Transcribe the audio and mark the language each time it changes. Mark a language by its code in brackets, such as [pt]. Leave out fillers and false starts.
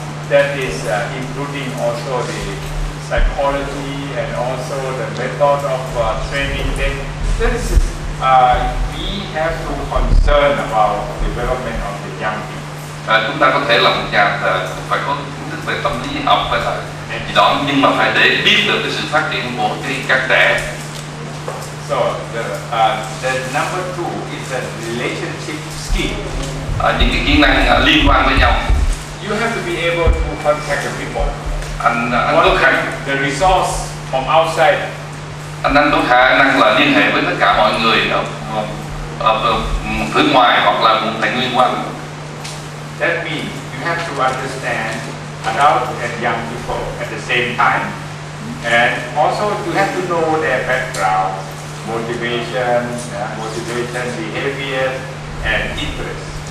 [en] That is including also the psychology and also the method of training them. This is we have to concern about development of the young people. [vi] Chúng ta có thể là một nhà phải có kiến thức về tâm lý học và gì đó, nhưng mà phải để biết được cái sự phát triển của cái các trẻ. [en] So the number two is the relationship skill. [vi] Những cái kỹ năng liên quan với nhau. [en] You have to be able to contact the people. [vi] Anh có khả năng [en] the resource from outside. [vi] Anh có khả năng là liên hệ với tất cả mọi người ở phía ngoài hoặc là nguồn tài nguyên quanh. [en] That means you have to understand adult and young people at the same time, and also you have to know their background, motivation, behavior, and interest.